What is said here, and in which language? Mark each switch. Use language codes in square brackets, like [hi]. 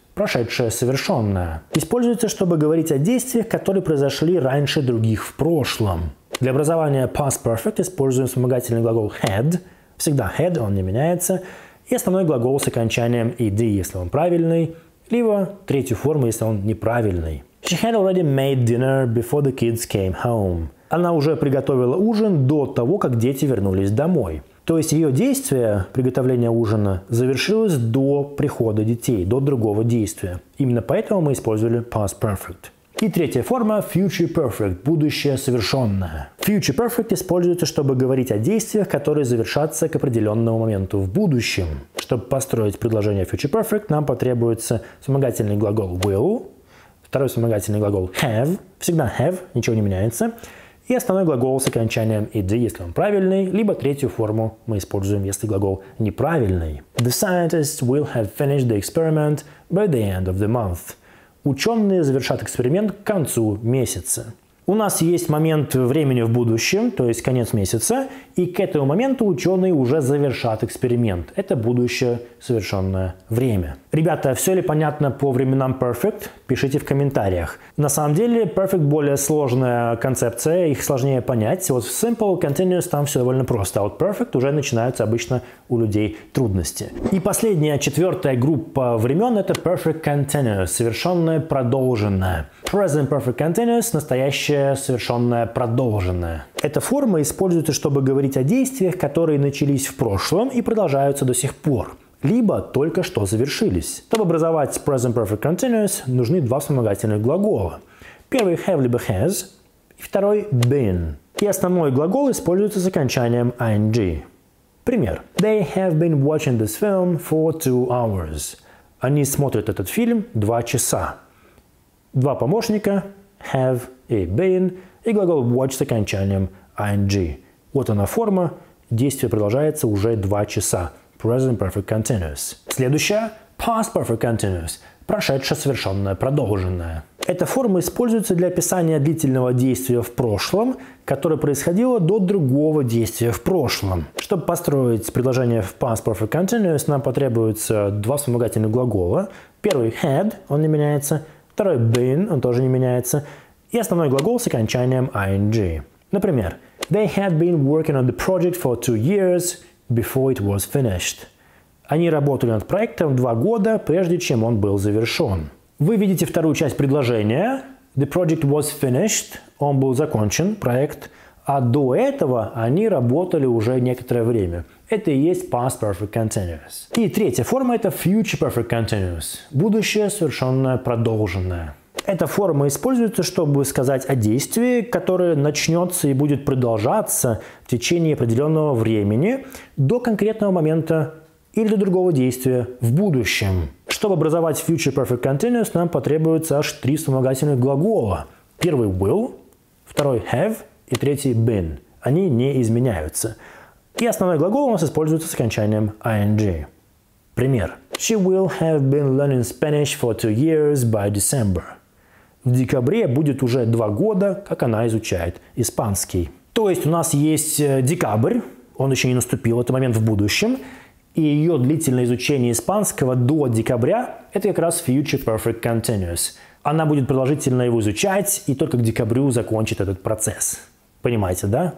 [ru] Прошедшее совершенное. Используется, чтобы говорить о действиях, которые произошли раньше других в прошлом. Для образования past perfect используем вспомогательный глагол had. Всегда had, он не меняется. И основной глагол с окончанием ed, если он правильный. Либо третью форму, если он неправильный. [en] She had already made dinner before the kids came home. [ru] Она уже приготовила ужин до того, как дети вернулись домой. То есть ее действие, приготовление ужина, завершилось до прихода детей, до другого действия. Именно поэтому мы использовали past perfect. И третья форма – future perfect – будущее совершенное. Future perfect используется, чтобы говорить о действиях, которые завершатся к определенному моменту в будущем. Чтобы построить предложение future perfect, нам потребуется вспомогательный глагол will, второй вспомогательный глагол have, всегда have, ничего не меняется, и основной глагол с окончанием ed, если он правильный, либо третью форму мы используем, если глагол неправильный. [en] The scientists will have finished the experiment by the end of the month. [ru] Ученые завершат эксперимент к концу месяца. У нас есть момент времени в будущем, то есть конец месяца, и к этому моменту ученые уже завершат эксперимент. Это будущее совершенное время. Ребята, все ли понятно по временам perfect? Пишите в комментариях. На самом деле perfect более сложная концепция, их сложнее понять. Вот в simple, continuous там все довольно просто, а вот perfect уже начинаются обычно у людей трудности. И последняя, четвертая группа времен – это perfect continuous, совершенное продолженное. Present perfect continuous – настоящее совершенное продолженное. Эта форма используется, чтобы говорить о действиях, которые начались в прошлом и продолжаются до сих пор, либо только что завершились. Чтобы образовать present perfect continuous, нужны два вспомогательных глагола. Первый have либо has, и второй been. И основной глагол используется с окончанием ing. Пример. [en] They have been watching this film for 2 hours. [ru] Они смотрят этот фильм 2 часа. Два помощника have и been, и глагол watch с окончанием ing. Вот она форма, действие продолжается уже 2 часа. Present perfect continuous. Следующее – past perfect continuous – прошедшее совершенное продолженное. Эта форма используется для описания длительного действия в прошлом, которое происходило до другого действия в прошлом. Чтобы построить предложение в past perfect continuous, нам потребуется 2 вспомогательных глагола. Первый – had, он не меняется. Второй – been, он тоже не меняется. И основной глагол с окончанием ing. Например, [en] they had been working on the project for 2 years – before it was finished. [ru] Они работали над проектом 2 года, прежде чем он был завершен. Вы видите вторую часть предложения. [en] The project was finished. [ru] Он был закончен, проект. А до этого они работали уже некоторое время. Это и есть past perfect continuous. И третья форма – это future perfect continuous. Будущее совершенное продолженное. Эта форма используется, чтобы сказать о действии, которое начнется и будет продолжаться в течение определенного времени до конкретного момента или до другого действия в будущем. Чтобы образовать future perfect continuous, нам потребуется аж 3 вспомогательных глагола. Первый will, второй have и третий been. Они не изменяются. И основной глагол у нас используется с окончанием ing. Пример. [en] She will have been learning Spanish for 2 years by December. [ru] В декабре будет уже 2 года, как она изучает испанский. То есть у нас есть декабрь, он еще не наступил, это момент в будущем. И ее длительное изучение испанского до декабря – это как раз future perfect continuous. Она будет продолжительно его изучать и только к декабрю закончит этот процесс. Понимаете, да?